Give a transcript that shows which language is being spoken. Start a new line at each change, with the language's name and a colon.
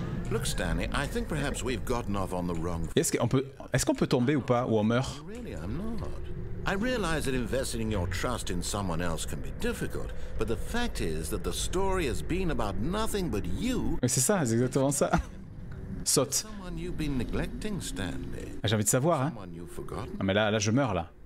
English: Look, Stanley, I think perhaps we've gotten off on the wrong...
French: Est-ce qu'on peut tomber ou pas, ou on meurt?
English: Really, I'm not. I realize that investing your trust in someone else can be difficult, but the fact is that the story has been about nothing but you.
French: Mais c'est ça, c'est exactement ça. Saute.
English: Someone you've been neglecting, Stanley.
French: Ah, j'ai envie de savoir, hein. Ah, mais là je meurs là.